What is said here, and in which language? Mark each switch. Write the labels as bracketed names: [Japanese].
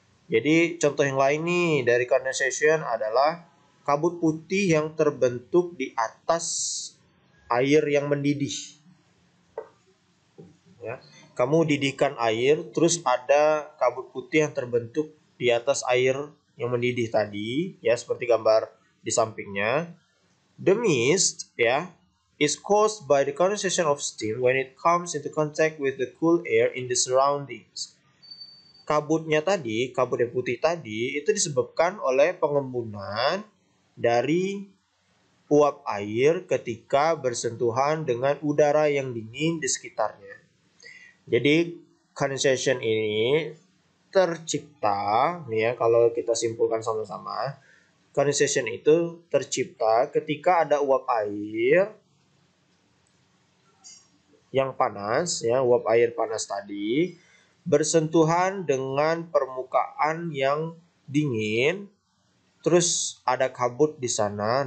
[Indonesian] Jadi, contoh yang lain nih dari condensation adalah kabut putih yang terbentuk di atas air yang mendidih. Ya. Kamu didihkan air, terus ada kabut putih yang terbentuk di atas air yang mendidih tadi, ya, seperti gambar di sampingnya. [English] The mist, ya, is caused by the condensation of steam when it comes into contact with the cool air in the surroundings. [Indonesian] Kabutnya tadi, kabut yang putih tadi, itu disebabkan oleh pengembunan dari uap air ketika bersentuhan dengan udara yang dingin di sekitarnya. Jadi condensation ini tercipta, ya, kalau kita simpulkan sama-sama, condensation itu tercipta ketika ada uap air yang panas, ya, uap air panas tadi bersentuhan dengan permukaan yang dingin, terus ada kabut di sana.